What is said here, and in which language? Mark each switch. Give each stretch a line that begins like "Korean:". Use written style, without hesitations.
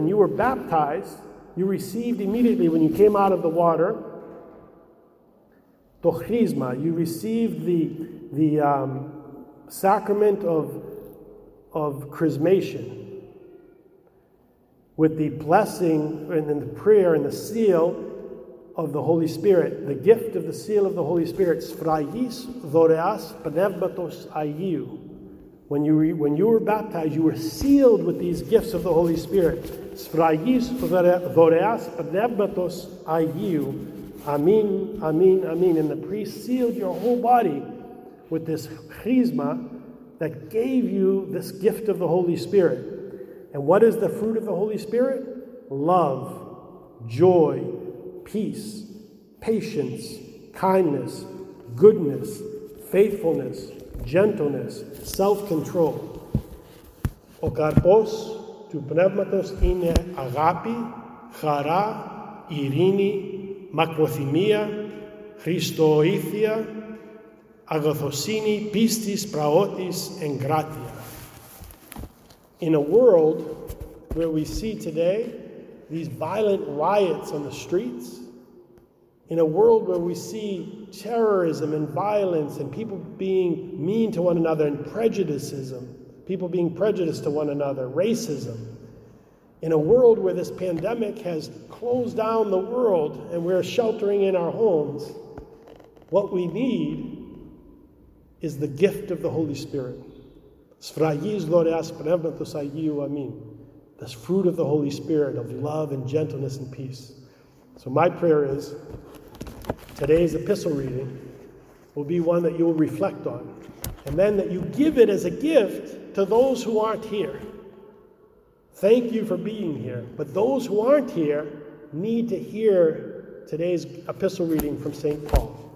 English: When you were baptized, you received immediately, when you came out of the water, το χρίσμα, you received the sacrament of chrismation with the blessing and then the prayer and the seal of the Holy Spirit, the gift of the seal of the Holy Spirit,
Greek: σφραγής δωρεάς πνεύματος Αγίου.
English: When you were baptized, you were sealed with these gifts of the Holy Spirit.
Greek: Σφραγής δωρεάς πνεύματος Αγίου. Αμήν, αμήν, αμήν.
English: And the priest sealed your whole body with this chrisma that gave you this gift of the Holy Spirit. And what is the fruit of the Holy Spirit? Love, joy, peace, patience, kindness, goodness, faithfulness, gentleness, self-control.
Greek: Ο καρπός του πνεύματος είναι αγάπη, χαρά, ειρήνη, μακροθυμία, χριστοοήθεια, αγαθοσύνη, πίστης, πραότης, εγκράτεια.
English: In a world where we see today these violent riots on the streets, in a world where we see terrorism and violence and people being mean to one another and prejudicism, people being prejudiced to one another, racism, in a world where this pandemic has closed down the world and we're sheltering in our homes, what we need is the gift of the Holy Spirit.
Greek: Σφραγής δωρεάς πνεύματος Αγίου, αμήν.
English: The fruit of the Holy Spirit, of love and gentleness and peace. So my prayer is, today's epistle reading will be one that you will reflect on, and then that you give it as a gift to those who aren't here. Thank you for being here, but those who aren't here need to hear today's epistle reading from St. Paul.